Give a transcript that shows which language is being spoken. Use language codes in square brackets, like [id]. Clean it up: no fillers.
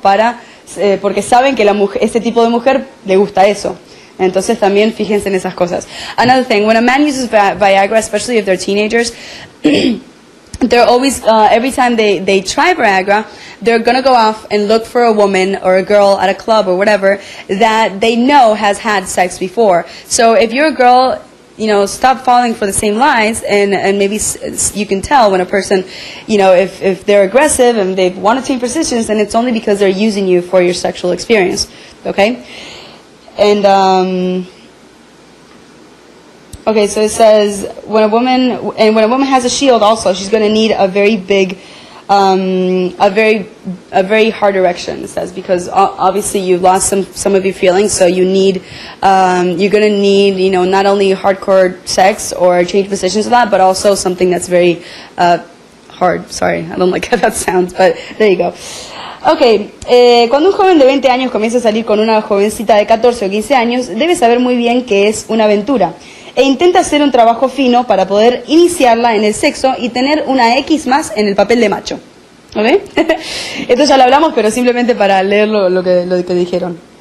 [es] Porque saben que este tipo de mujer le gusta eso. Entonces también fíjense en esas cosas. [en] Another thing, when a man uses Viagra, especially if they're teenagers, they're always, every time they try Viagra, they're going to go off and look for a woman or a girl at a club or whatever that they know has had sex before. So if you're a girl, you know, stop falling for the same lies, and maybe you can tell when a person, you know, if they're aggressive and they want to change positions, then it's only because they're using you for your sexual experience, okay? And, okay, so it says, when a woman has a shield also, she's going to need a very big, a very hard erection, it says, because obviously you've lost some of your feelings, so you need, you're going to need, you know, not only hardcore sex or change positions a lot, but also something that's very hard. Sorry, I don't like how that sounds, but there you go. [es] Ok, cuando un joven de 20 años comienza a salir con una jovencita de 14 o 15 años, debe saber muy bien que es una aventura e intenta hacer un trabajo fino para poder iniciarla en el sexo y tener una X más en el papel de macho. ¿Okay? Esto ya lo hablamos, pero simplemente para leer lo que dijeron.